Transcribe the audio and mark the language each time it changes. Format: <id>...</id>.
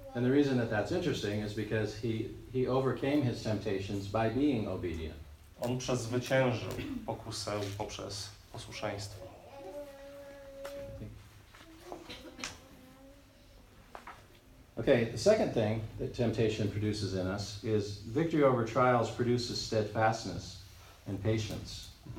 <en>And the reason that that's interesting is because he overcame his temptations by being obedient.</en> <pl>On przezwyciężył pokusę poprzez posłuszeństwo.</pl> <en>Okay, the second thing that temptation produces in us is victory over trials produces steadfastness and patience.</en>